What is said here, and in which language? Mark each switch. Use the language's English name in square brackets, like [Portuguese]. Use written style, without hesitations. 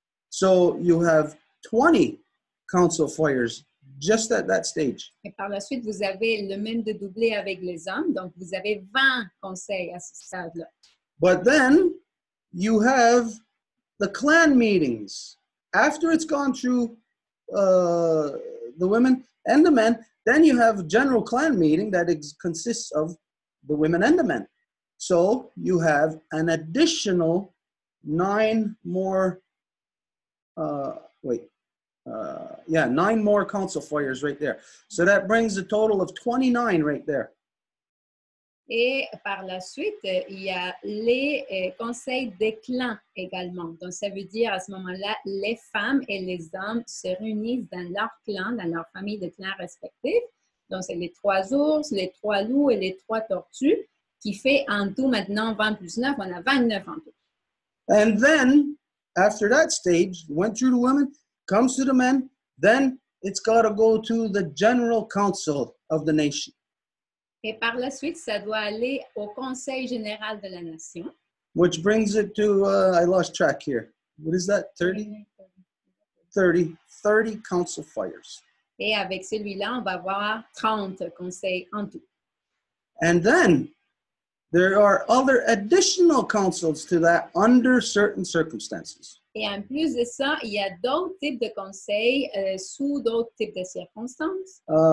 [English] So you have 20 council fires just at that stage. [French] Et par la suite, vous avez le même de doublé avec les hommes. Donc, vous avez 20 conseils à ce stade-là. [English] But then you have the clan meetings. After it's gone through the women and the men, then you have a general clan meeting that consists of the women and the men. So you have an additional 9 more, council fires right there. So that brings a total of 29 right there. [French] Et par la suite, il y a les conseils des clans également. Donc, ça veut dire à ce moment-là, les femmes et les hommes se réunissent dans leur clan, dans leur famille de clans respectifs. Donc, c'est les 3 ours, les 3 loups et les 3 tortues qui fait en tout maintenant 20 plus 9, on a 29 en tout. [English] And then, after that stage, went through the women, comes to the men, then it's got to go to the general council of the nation. [French] Et par la suite, ça doit aller au Conseil général de la nation. [English] Which brings it to, I lost track here. What is that, 30 council fires. [French] Et avec celui-là, on va avoir 30 conseils en tout. [English] And then, there are other additional councils to that under certain circumstances. [French] Et en plus de ça, il y a d'autres types de conseils sous d'autres types de circonstances.